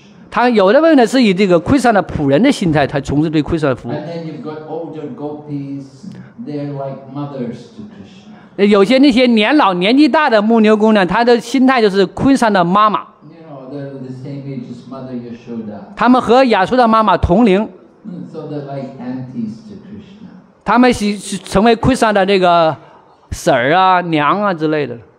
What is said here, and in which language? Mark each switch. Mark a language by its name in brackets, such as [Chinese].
[Chinese] 他有的问题是以这个 Krishna 的仆人的心态，他从事对 Krishna 的服务。 [English] And then you've got older gopis, they're like mothers to Krishna. [Chinese] 有些那些年老年纪大的牧牛姑娘，她的心态就是 Krishna 的妈妈。 [English] You know, they're the same age as mother Yashoda. [Chinese] 他们和亚苏的妈妈同龄。 [English] So they're like aunties to Krishna. [Chinese] 他们是成为 Krishna 的这个。婶儿啊娘啊之类的